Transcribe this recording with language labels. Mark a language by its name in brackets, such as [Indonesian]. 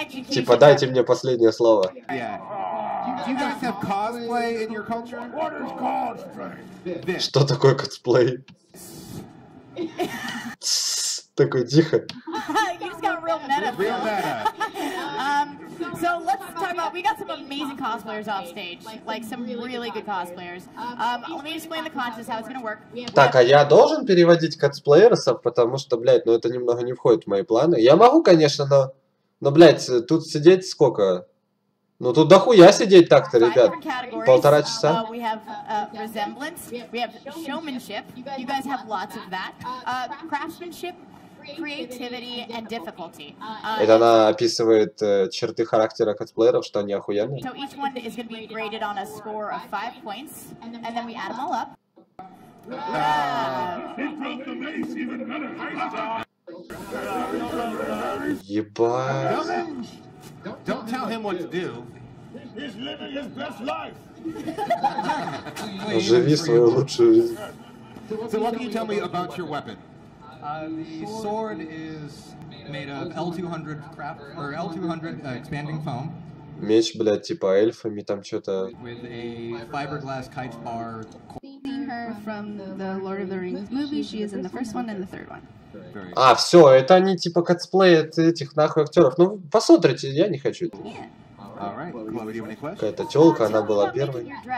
[Russian] Типа, дайте мне последнее слово. [English] Do you guys have cosplay in your culture? What is cosplay? [Russian] Что такое косплей? Такой тихо. [English] You just got real meta. Real meta. So let's talk about. We got some amazing cosplayers off stage, like some really good cosplayers. Let me explain the contest how it's gonna work. [Russian] Так, а я должен переводить косплеерсов, потому что, блядь, ну это немного не входит в мои планы. Я могу, конечно, но, блядь, тут сидеть сколько? Ну тут дохуя сидеть так-то, ребят. Полтора часа. [English] We have resemblance, we have showmanship. You guys have lots of that. Craftsmanship, creativity and difficulty. [Russian] Это она описывает черты характера косплееров, что они охуенные. [English] So each one is going to be graded on a score of 5 points, and then we add them all up. [Russian] Ебать. [English] Don't tell him what to do. He's living his best life. [Russian] Живи свою лучшую жизнь. [English] So what can you tell me about your weapon? The sword is made of L200 craft or L200 expanding foam. [Russian] Меч, блядь, типа эльфами там что-то. [English] With a fiberglass kite bar. Seeing her from the Lord of the Rings movie, she is in the first one and the third one. [Russian] А, все, это они типа косплеят этих нахуй актеров. Ну, посмотрите, я не хочу. Какая-то тёлка, она была первой.